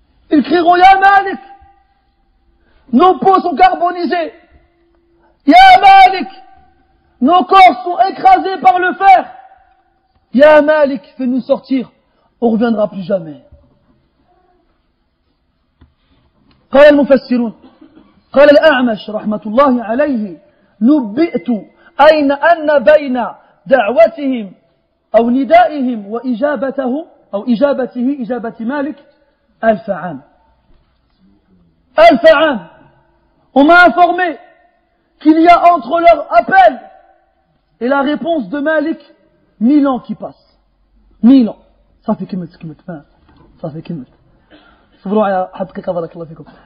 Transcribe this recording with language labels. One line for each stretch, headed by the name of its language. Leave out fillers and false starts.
French: Ils crieront,
Arabic: يا مالك
French: nos peaux sont carbonisées, يا مالك nos corps sont écrasés par le fer, يا مالك fais-nous sortir. On ne reviendra plus jamais.
Arabic: قال المفسرون قال الأعمش رحمة الله عليه نبئت أين أن بين دعوتهم أو ندائهم وإجابته أو إجابته إجابة مالك ألف عام. ألف عام.
French: On m'a informé qu'il y a entre leur appel et la réponse de Malik mille ans qui passent. Mille ans.
Arabic: صافي كملت كملت ما صافي كملت صبروا على حد دقيقة بارك الله فيكم.